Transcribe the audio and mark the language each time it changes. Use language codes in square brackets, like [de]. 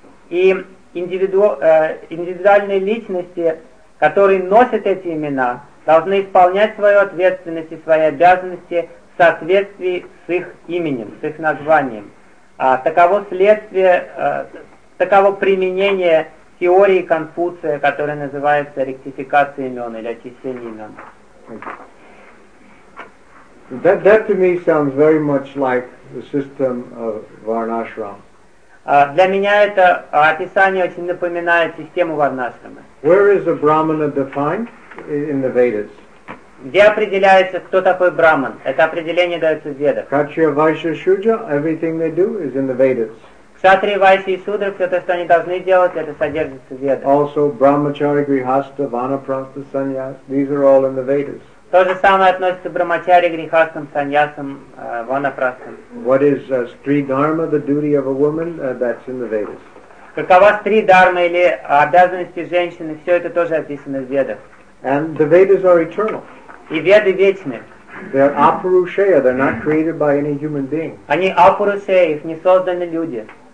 [ru] И индивидуальные личности, которые носят эти имена, должны исполнять свою ответственность и свои обязанности в соответствии с их именем, с их названием. Таково следствие, таково применение теории Конфуция, которая называется ректификация имен или очищение имен. [en] That to me sounds very much like the system of Varnashram. [ru] Для меня это описание очень напоминает систему Варнашрама. [en] Where is a Brahmana defined in the Vedas? [ru] Где определяется, кто такой Брахман? Это определение дается в Ведах. [en] Кшатрия, Вайшья, Шудра, everything they do is in the Vedas. [ru] Кшатрия, Вайшья и Шудра, все то, что они должны делать, это содержится в Ведах. [en] Also, Брахмачари, Грихаста, Ванапрастха, Саньяс, these are all in the Vedas. [ru] То же самое относится к Брахмачари, Грихастам, Саньясам, Ванапрастхам. [en] What is Stri Dharma, the duty of a woman, that's in the Vedas. [ru] Какова Стри Дхарма или обязанности женщины, все это тоже описано в Ведах. [en] And the Vedas are eternal. [ru] И Веды вечны. [en] They're apurusheya. They're not created by any human being. [ru] Они апурушеи, их не созданы люди.